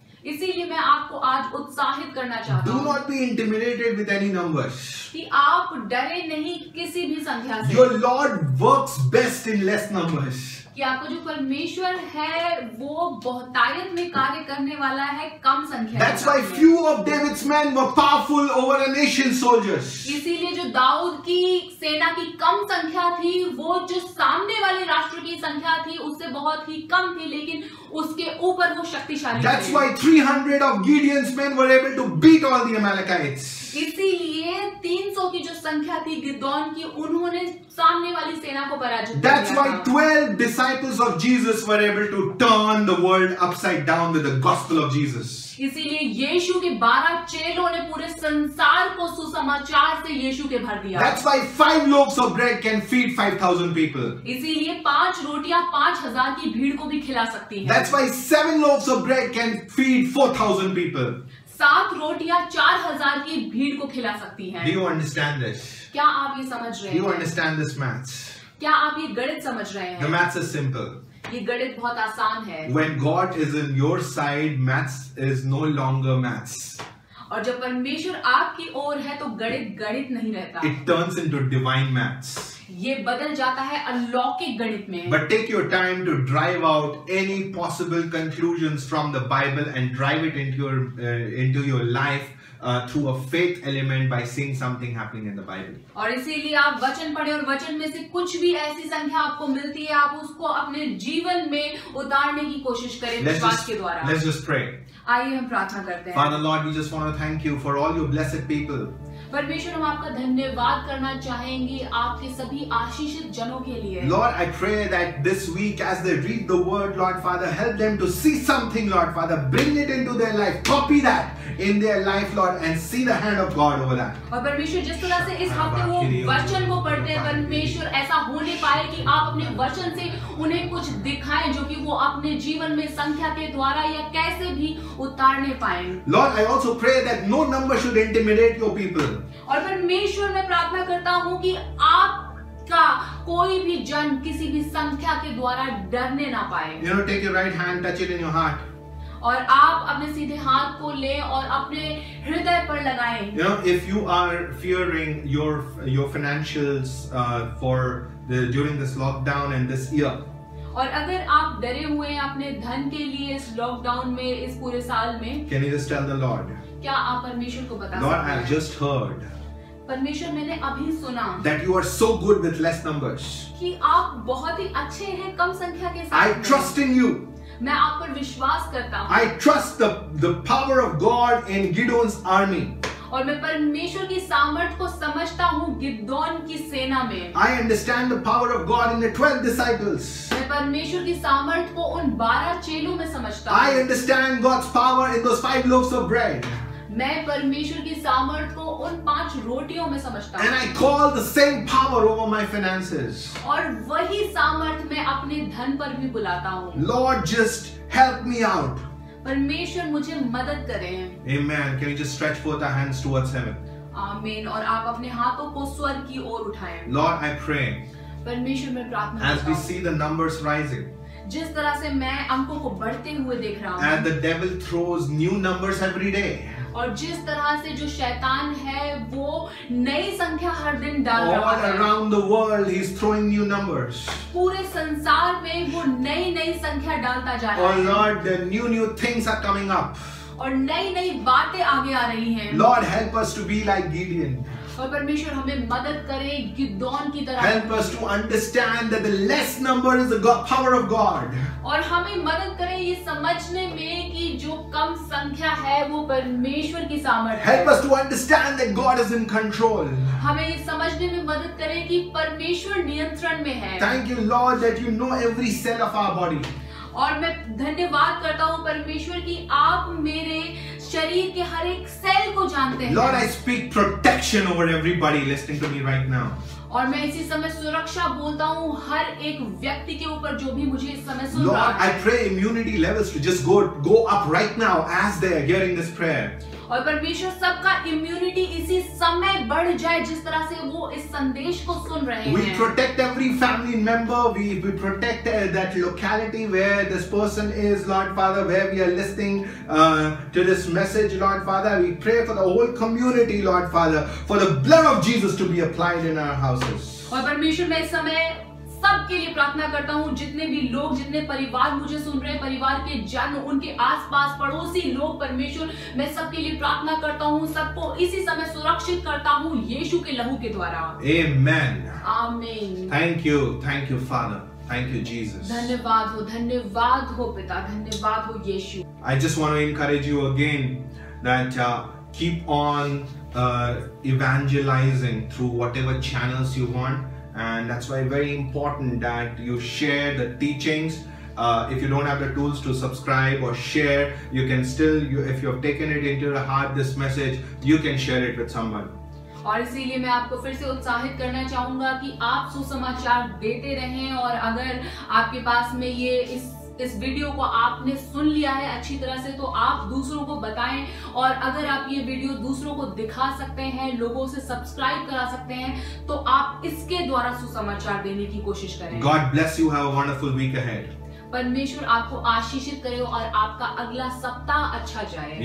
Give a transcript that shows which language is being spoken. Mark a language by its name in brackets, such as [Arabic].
[Hindi] इसीलिए मैं आपको आज उत्साहित करना चाहता हूँ. [English] Do not be intimidated with any numbers. [Hindi] कि आप डरे नहीं किसी भी संख्या से. [English] Your Lord works best in less numbers. [Hindi] कि आपको जो परमेश्वर है वो बहुतायत में कार्य करने वाला है कम संख्या. [English] That's why few of David's men were powerful over a nation's soldiers. [Hindi] इसीलिए जो दाऊद की सेना की कम संख्या थी वो जो सामने वाले राष्ट्र की संख्या थी उससे बहुत ही कम थी लेकिन उसके ऊपर वो शक्तिशाली. [English] That's why 300 of Gideon's men were able to beat all the Amalekites. [Hindi] इसीलिए 300 की जो संख्या थी गिदोन की उन्होंने सामने वाली सेना को पराजित. [English] That's why 12 disciples of Jesus were able to turn the world upside down with the gospel of Jesus. [Hindi] इसीलिए यीशु के 12 चेलों ने पूरे संसार को सुसमाचार से यीशु के भर दिया. [English] That's why 5 loaves of bread can feed 5,000 people. [Hindi] इसीलिए 5 रोटियां 5,000 की भीड़ को भी खिला सकती हैं. [English] That's why 7 loaves of bread can feed 4,000 people. [Hindi] 7 रोटियां 4,000 की भीड़ को खिला सकती हैं. [English] Do you understand this? [Hindi] क्या आप ये समझ रहे हैं? [English] Do you understand this maths? [Hindi] क्या आप ये गणित समझ रहे हैं? [English] The maths is simple. [Hindi] ये गणित बहुत आसान है. [English] When God is in your side, maths is no longer maths. [Hindi] और जब परमेश्वर आपकी ओर है तो गणित गणित नहीं रहता. [English] It turns into divine maths. [Hindi] ये बदल जाता है अलौकिक गणित में. [English] But take your time to drive out any possible conclusions from the Bible and drive it into your life. Through a faith element by seeing something happening in the Bible. [Hindi] और इसीलिए आप वचन पढ़े और वचन में से कुछ भी ऐसी संख्या आपको मिलती है आप उसको अपने जीवन में उतारने की कोशिश करें विश्वास के द्वारा. [English] Let's just pray. [Hindi] आइए हम प्रार्थना करते हैं. [English] Father Lord, we just want to thank you for all your blessed people. [Hindi] परमेश्वर हम आपका धन्यवाद करना चाहेंगे आपके सभी आशीषित जनों के लिए. [English] Lord, I pray that this week as they read the word, Lord Father, help them to see something, Lord Father, bring it into their life, copy that in their life, Lord, and see the hand of God over that. [Hindi] और परमेश्वर जिस तरह से इस हफ्ते वो वचन को पढ़ते हैं, परमेश्वर ऐसा होने पाए कि आप अपने वचन से उन्हें कुछ दिखाएं जो कि वो अपने जीवन में संख्या के द्वारा या कैसे भी उतारने पाए. [English] Lord, I also pray that no number should intimidate your people. [Hindi] और परमेश्वर मैं प्रार्थना करता हूँ कि आपका कोई भी जन किसी भी संख्या के द्वारा डरने ना पाए. [English] You know, take your right hand, touch it in your heart. [Hindi] और आप अपने सीधे हाथ को ले और अपने हृदय पर लगाएं. [English] You know, if you are fearing your financials for the during this lockdown and this year. [Hindi] और अगर आप डरे हुए हैं अपने धन के लिए इस लॉकडाउन में इस पूरे साल में. [English] Can you just tell the Lord? [Hindi] क्या आप परमेश्वर को बता [English] Lord, I've just heard. [Hindi] परमेश्वर मैंने अभी सुना. [English] That you are so good with less numbers. [Hindi] कि आप बहुत ही अच्छे हैं कम संख्या के साथ. [English] I trust in you. [Hindi] मैं आप पर विश्वास करता हूँ. [English] I trust the power of God in Gideon's army. [Hindi] और मैं परमेश्वर की सामर्थ को समझता हूँ गिदोन की सेना में. [English] I understand the power of God in the 12 disciples. [Hindi] मैं परमेश्वर की सामर्थ को उन 12 चेलों में समझता हूँ. [English] I understand God's power in those 5 loaves of bread. [Hindi] मैं परमेश्वर की सामर्थ को उन 5 रोटियों में समझता हूँ. [English] And I call the same power over my finances. [Hindi] और वही सामर्थ मैं अपने धन पर भी बुलाता हूँ. [English] Lord, just help me out. [Hindi] परमेश्वर मुझे मदद करें. [English] Amen. Can you just stretch forth our hands towards heaven? Amen. [Hindi] और आप अपने हाथों को स्वर्ग की ओर उठाएं. [English] Lord, I pray. [Hindi] परमेश्वर मैं प्रार्थना करता हूँ. [English] As we see the numbers rising. [Hindi] जिस तरह से मैं अंकों को बढ़ते हुए देख रहा हूँ. [English] And the devil throws new numbers every day. [Hindi] और जिस तरह से जो शैतान है वो नई संख्या हर दिन डाल रहा है. [English] All around the world he's throwing new numbers. [Hindi] पूरे संसार में वो नई नई संख्या डालता जा रहा है. [English] Oh Lord, the new new things are coming up. [Hindi] और नई नई बातें आगे आ रही हैं. [English] Lord, help us to be like Gideon. [Hindi] और परमेश्वर हमें मदद करे गिदोन की तरह. [English] Help us to understand that the less number is the power of God. [Hindi] और हमें मदद करे ये समझने में कि जो कम संख्या है वो परमेश्वर की सामर्थ्य है. [English] Help us to understand that God is in control. [Hindi] हमें ये समझने में मदद करे कि परमेश्वर नियंत्रण में है. [English] Thank you Lord that you know every cell of our body. [Hindi] और मैं धन्यवाद करता हूँ परमेश्वर की आप मेरे शरीर के हर एक सेल को जानते हैं. [English] Lord, I speak protection over everybody listening to me right now. [Hindi] और मैं इसी समय सुरक्षा बोलता हूँ हर एक व्यक्ति के ऊपर जो भी मुझे इस समय सुन रहा है. [English] Lord, I pray immunity levels to just go up right now as they are hearing this prayer. [Hindi] और परमेश्वर सबका इम्यूनिटी इसी समय बढ़ जाए जिस तरह से वो इस संदेश को सुन रहे हैं. [English] We protect every family member. We protect that locality where this person is, Lord Father, where we are listening to this message, Lord Father. We pray for the whole community, Lord Father, for the blood of Jesus to be applied in our houses. [Hindi] और परमेश्वर मैं इस समय सबके लिए प्रार्थना करता हूँ जितने भी लोग जितने परिवार मुझे सुन रहे हैं परिवार के जन उनके आसपास पड़ोसी लोग परमेश्वर मैं सबके लिए प्रार्थना करता हूँ सबको इसी समय सुरक्षित करता हूँ यीशु के लहू के द्वारा. [English] Amen. Amen. Thank you Father. Thank you Jesus. [Hindi] धन्यवाद हो पिता धन्यवाद हो यीशु. [English] I just want to encourage you again that keep on evangelizing through whatever channels you want. And that's why very important that you share the teachings. If you don't have the tools to subscribe or share, you can still, if you have taken it into your heart, this message, you can share it with someone. [Hindi] और इसीलिए मैं आपको फिर से उत्साहित करना चाहूंगा कि आप सुसमाचार देते रहें और अगर आपके पास में ये इस वीडियो को आपने सुन लिया है अच्छी तरह से तो आप दूसरों को बताएं और अगर आप ये वीडियो दूसरों को दिखा सकते हैं लोगों से सब्सक्राइब करा सकते हैं तो आप इसके द्वारा सुसमाचार देने की कोशिश करें. [English] God bless you. Have a wonderful week ahead. [Hindi] परमेश्वर आपको आशीषित करे और आपका अगला सप्ताह अच्छा जाए।